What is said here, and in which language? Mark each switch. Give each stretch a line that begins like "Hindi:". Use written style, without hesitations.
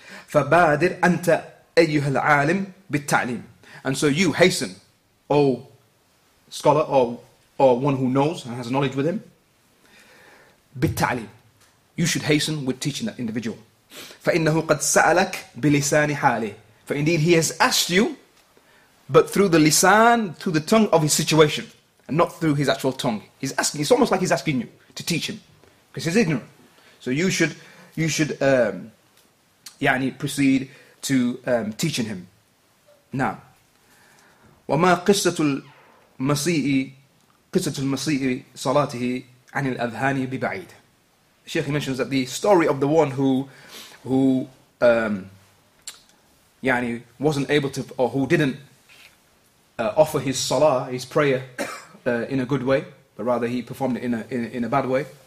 Arabic: فبادر أنت أيها العالم بالتعليم.
English: And so you hasten, O scholar or one who knows and has knowledge with him.
Arabic: بالتعليم.
English: You should hasten with teaching that individual.
Arabic: فإنه قد سألك بلسان حاله.
English: For indeed he has asked you, but through the lisan, through the tongue of his situation, and not through his actual tongue. He's asking, it's almost like he's asking you to teach him, because he's ignorant. So you should proceed to teaching him. Now.
Arabic: وما قصة المسيء قصة المسيء صلاته عن الأذهان ببعيد.
English: Sheikh mentions that the story of the one who wasn't able to, or who didn't offer his salah, his prayer in a good way, but rather he performed it in a bad way.